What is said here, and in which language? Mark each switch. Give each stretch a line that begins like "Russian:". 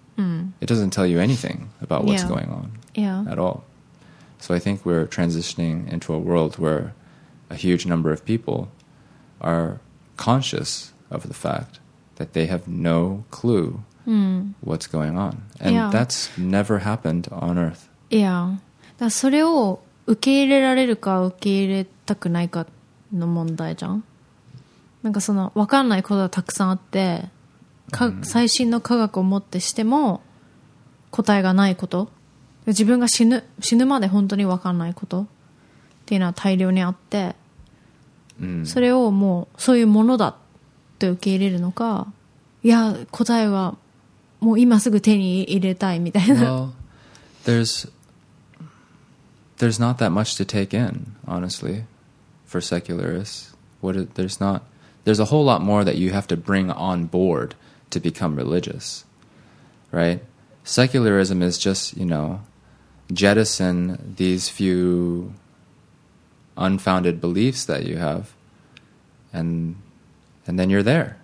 English: It doesn't tell you anything about what's going on at all. So I think we're transitioning into a world where a huge number of people are consciousof the fact that they have no clue what's going on. And that's never happened on Earth. Yeah.
Japanese: だからそれを受け入れられるか受け入れたくないかの問題じゃん。なんかその分かんないことがたくさんあって、最新の科学を持ってしても答えがないこと、自分が死ぬまで本当に分かんないことっていうのは大量にあって、それをもうそういうものだと受け入れるのか、いや答えはもう今すぐ手に入れたいみたいな。
English: Well, there's not that much to take in, honestly, for secularists. There's a whole lot more that you have to bring on board to become religious, right? Secularism is just, you know, jettison these few unfounded beliefs that you have, and then you're there.